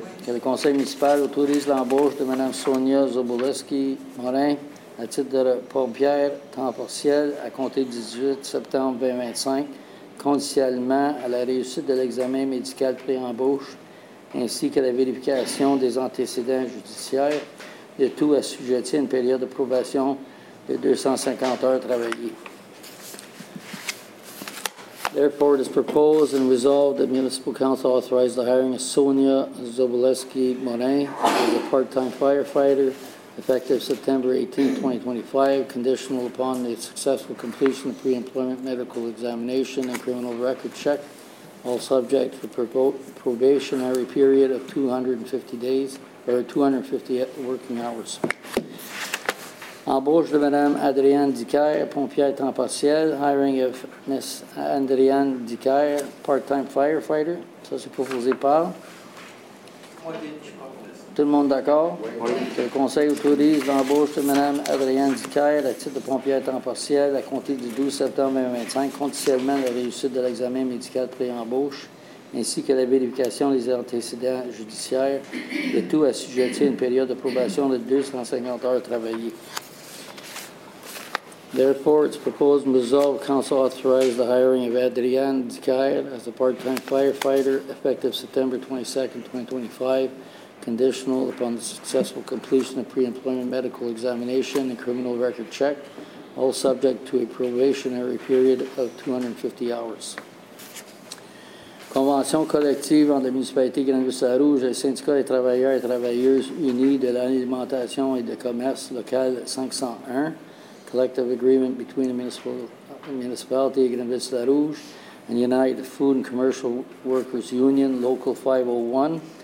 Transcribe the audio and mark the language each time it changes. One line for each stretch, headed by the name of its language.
French: Que le conseil municipal autorise l'embauche de Mme Sonia Zobolewski-Morin à titre de pompière temps partiel à compter du 18 septembre 2025, conditionnellement à la réussite de l'examen médical pré-embauche ainsi que la vérification des antécédents judiciaires, le tout assujetti à une période de probation de 250 heures travaillées.
English: Therefore, it is proposed and resolved that Municipal Council authorize the hiring of Sonia Zobolewski-Morin as a part-time firefighter, effective September 18, 2025, conditional upon the successful completion of pre-employment medical examination and criminal record check, all subject to probationary period of 250 working hours.
French: Embauche de Mme Adrienne Dicaire, pompière temps partiel,
English: hiring of Ms.
French: Adrienne Dicaire,
English: part-time firefighter.
French: Ça, c'est proposé par. Tout le monde d'accord? Oui. Que le conseil autorise l'embauche de Mme Adrienne Dicaire à titre de pompière temps partiel à compter du 12 septembre 2025, conditionnellement à la réussite de l'examen médical pré-embauche, ainsi que la vérification des antécédents judiciaires, le tout assujetti à une période de probation de 250 heures travaillées.
English: Therefore, it's proposed and resolved Council authorize the hiring of Adrienne Dicaire as a part-time firefighter effective September 22, 2025, conditional upon the successful completion of pre-employment medical examination and criminal record check, all subject to a probationary period of 250 hours.
French: Convention collective entre la municipalité Grande-Ville-Sarrouge et le syndicat des travailleurs et travailleuses unis de l'alimentation et de commerce local 501.
English: Collective agreement between the municipality of Grande-Ville-Sarrouge and United Food and Commercial Workers Union, Local 501.